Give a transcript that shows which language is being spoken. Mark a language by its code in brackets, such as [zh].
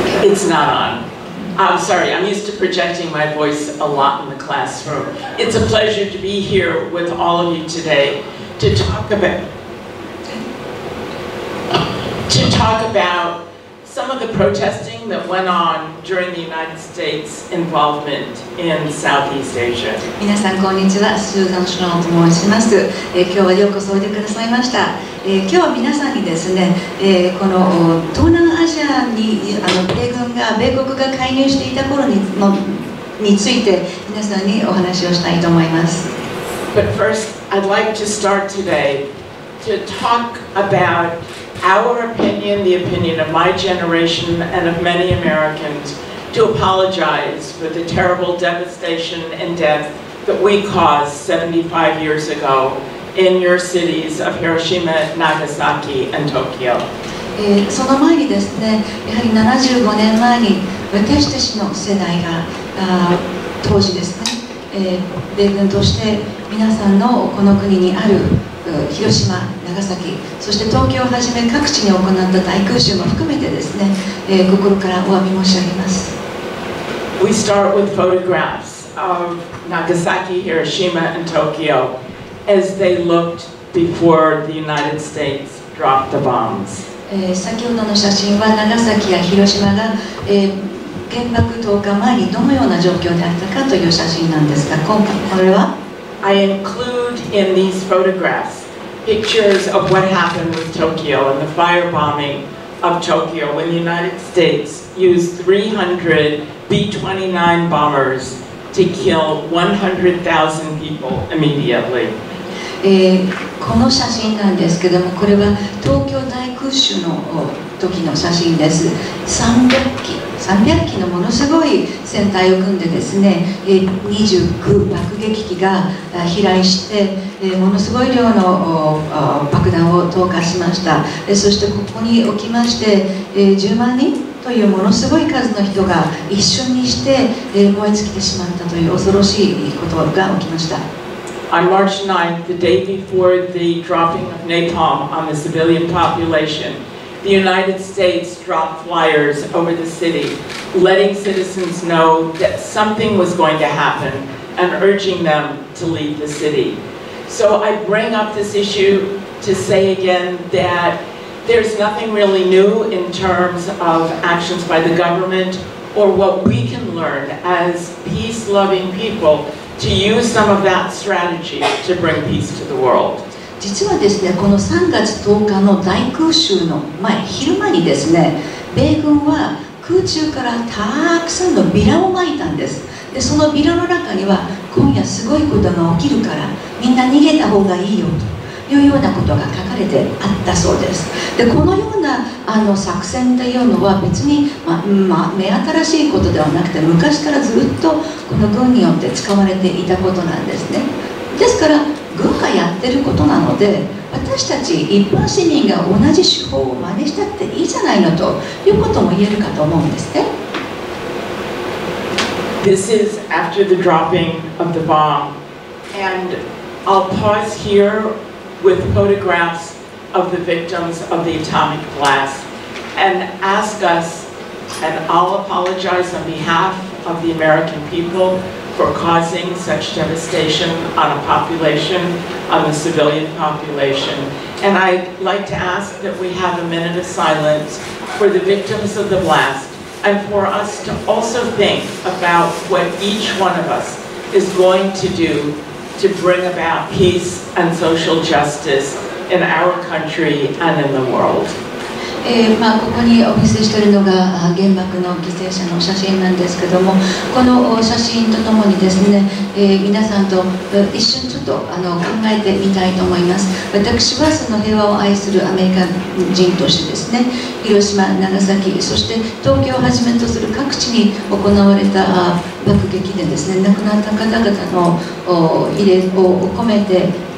[en] It's not on. I'm sorry, I'm used to projecting my voice a lot in the classroom. It's a pleasure to be here with all of you today to talk about some of the protesting that went on during the United States involvement in Southeast Asia. [ja] 皆さんこんにちは、スーザン・シュノーと申します。今日はようこそおいでくださいました。今日は皆さんにですね、この東南アジアに米軍が、米国が介入していた頃 について皆さんにお話をしたいと思います。 [en] But first, I'd like to start today to talk about our opinion, the opinion of my generation and of many Americans, to apologize for the terrible devastation and death that we caused 75 years ago. In your cities of Hiroshima, Nagasaki, and Tokyo. [ja] その前にですね、やはり75年前に私たちの世代が当時ですね、米軍として皆さんのこの国にある広島、長崎、そして東京をはじめ各地に行った大空襲も含めてですね、心からお詫び申し上げます。 [en] We start with photographs of Nagasaki, Hiroshima, and Tokyo. As they looked before the United States dropped the bombs. [ja] 先ほどの写真は長崎や広島が原爆投下前にどのような状況であったかという写真なんですが、今回これは [en] I include in these photographs pictures of what happened with Tokyo and the firebombing of Tokyo when the United States used 300 B-29 bombers. To kill 100,000 people immediately. [ja] この写真なんですけども、これは東京大空襲の時の写真です。 300機のものすごい船隊を組んでですね、29爆撃機が飛来して、ものすごい量の爆弾を投下しました。そしてここに置きまして、10万人。というものすごい数の人が一瞬にして燃え尽きてしまったという恐ろしいことが起きました。 [en] On March 9th, the day before the dropping of napalm on the civilian population, the United States dropped flyers over the city, letting citizens know that something was going to happen and urging them to leave the city. So I bring up this issue to say again that. There's nothing really new in terms of actions by the government or what we can learn as peace-loving people to use some of that strategy to bring peace to the world. [ja] 実はですね、この3月10日の大空襲の前、昼間にですね、米軍は空中からたくさんのビラを撒いたんです。で、そのビラの中には、今夜すごいことが起きるから、みんな逃げた方がいいよと。いうようなことが書かれてあったそうです。で、このような作戦というのは別に、目新しいことではなくて昔からずっとこの軍によって使われていたことなんですね。ですから軍がやってることなので私たち一般市民が同じ手法を真似したっていいじゃないのということも言えるかと思うんですね。 [en] This is after the dropping of the bomb and I'll pause hereWith photographs of the victims of the atomic blast, and ask us, and I'll apologize on behalf of the American people for causing such devastation on a population, on the civilian population. And I'd like to ask that we have a minute of silence for the victims of the blast, and for us to also think about what each one of us is going to do to bring about peace and social justice in our country and in the world. [ja] ここにお見せしているのが原爆の犠牲者の写真なんですけども、この写真とともにですね、皆さんと一瞬ちょっと考えてみたいと思います。私はその平和を愛するアメリカ人としてですね、広島、長崎、そして東京をはじめとする各地に行われた爆撃でですね、亡くなった方々の慰霊を込めて、